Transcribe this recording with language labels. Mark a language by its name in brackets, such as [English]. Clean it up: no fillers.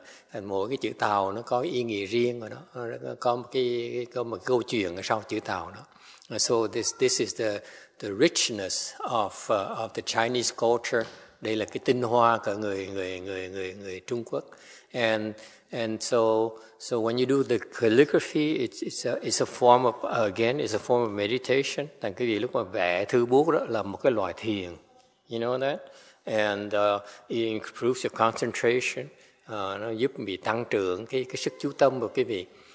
[Vietnamese] And mỗi cái chữ tàu nó có ý nghĩa riêng của nó. Có một câu chuyện ở sau chữ tàu đó. [English] So this is the richness of the Chinese culture. [Vietnamese] Đây là cái tinh hoa của người Trung Quốc. [English] And so when you do the calligraphy, it's a form of meditation. [Vietnamese] Thành cái gì lúc mà vẽ thư bút đó là một cái loại thiền, [English] you know that, and it improves your concentration. [Vietnamese] Nó giúp mình tăng trưởng cái sức chú tâm của cái việc.